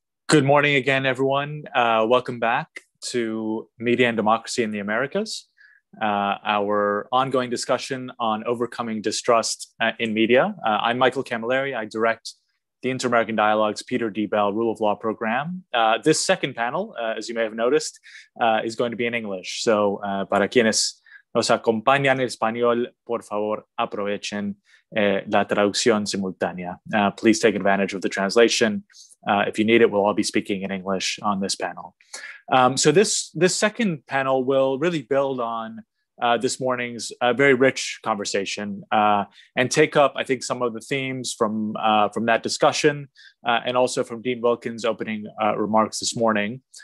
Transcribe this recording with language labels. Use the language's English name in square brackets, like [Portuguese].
[English] Good morning again, everyone. Welcome back to Media and Democracy in the Americas, our ongoing discussion on overcoming distrust in media. I'm Michael Camilleri. I direct the Inter-American Dialogue's Peter D. Bell Rule of Law Program. This second panel, as you may have noticed, is going to be in English. [Spanish] So para quienes nos acompañan en español, por favor, aprovechen la traducción simultánea. [English] Please take advantage of the translation. If you need it, we'll all be speaking in English on this panel. So this second panel will really build on this morning's very rich conversation and take up, I think, some of the themes from that discussion and also from Dean Wilkins' opening remarks this morning.